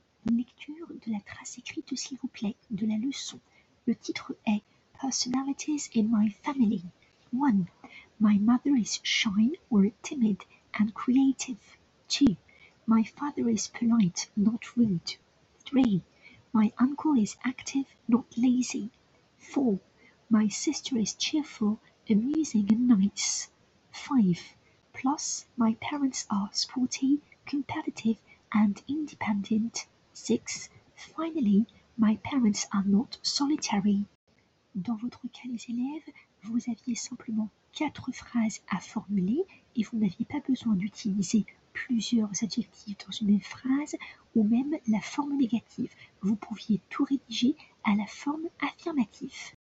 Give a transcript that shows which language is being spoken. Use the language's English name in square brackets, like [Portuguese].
[French] lecture de la trace écrite, s'il vous plaît, de la leçon. Le titre est Personalities in My Family. [English] 1. My mother is shy or timid and creative. 2. My father is polite, not rude. 3. My uncle is active, not lazy. 4. My sister is cheerful, amusing, and nice. 5. Plus, my parents are sporty, competitive, and independent. 6. Finally, my parents are not solitary. [French] Dans votre cas, les élèves, vous aviez simplement 4 phrases à formuler et vous n'aviez pas besoin d'utiliser plusieurs adjectifs dans une même phrase ou même la forme négative. Vous pouviez tout rédiger à la forme affirmative.